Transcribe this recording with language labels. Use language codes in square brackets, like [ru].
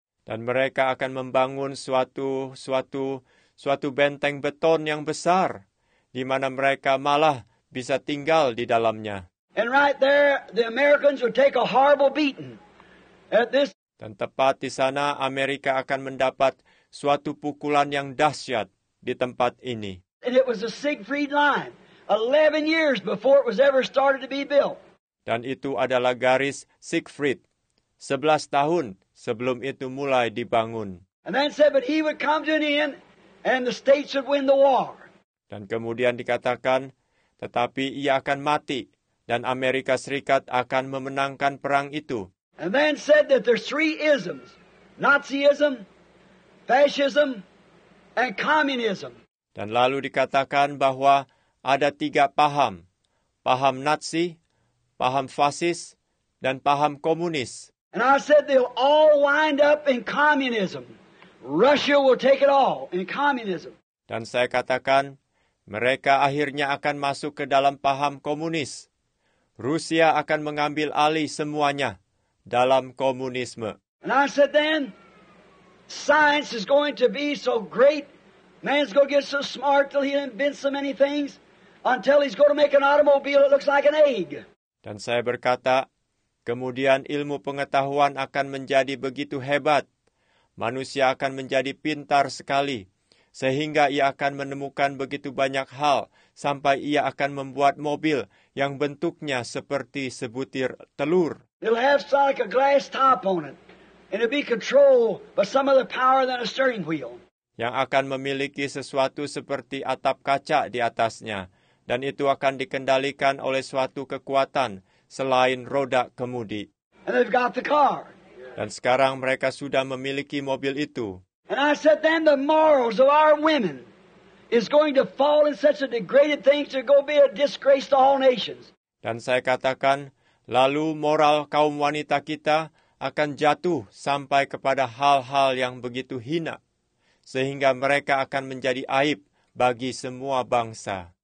[id] Dan mereka akan membangun suatu benteng beton yang besar, di mana mereka malah bisa tinggal di dalamnya. [en] And right there, the Americans would take a horrible beating at this. [id] Dan tepat di sana, Amerika akan mendapat suatu pukulan yang dahsyat di tempat ini. [en] And it was a Siegfried line, 11 years before it was ever started to be built. [id] Dan itu adalah garis Siegfried, 11 tahun sebelum itu mulai dibangun. [en] And then said, but he would come to an end, and the states would win the war. [id] Dan kemudian dikatakan, tetapi ia akan mati, dan Amerika Serikat akan memenangkan perang itu. [en] And then said that there's three isms, Nazism, fascism, and communism. [id] Dan lalu dikatakan bahwa ada tiga paham, paham Nazi, paham fasis, dan paham komunis. [en] And I said they'll all wind up in communism. Russia will take it all in communism. [id] Dan saya katakan, mereka akhirnya akan masuk ke dalam paham komunis. Rusia akan mengambil alih semuanya dalam komunisme. [en] And I said then, science is going to be so great, man's going to get so smart till he invents so many things, until he's going to make an automobile that looks like an egg. [id] Dan saya berkata, kemudian ilmu pengetahuan akan menjadi begitu hebat. Manusia akan menjadi pintar sekali, sehingga ia akan menemukan begitu banyak hal, sampai ia akan membuat mobil yang bentuknya seperti sebutir telur. [en] It'll have like a glass top on it, and it'll be controlled by some of the power than a steering wheel. [id] Yang akan memiliki sesuatu seperti atap kaca di atasnya, dan itu akan dikendalikan oleh suatu kekuatan selain roda kemudi. [en] And they've got the car. [id] Dan sekarang mereka sudah memiliki mobil itu. [en] And I said then the morals of our women is going to fall in such a degraded thing to go be a disgrace to all nations. [id] Dan saya katakan, lalu moral kaum wanita kita akan jatuh sampai kepada hal-hal yang begitu hina, sehingga mereka akan menjadi aib bagi semua bangsa.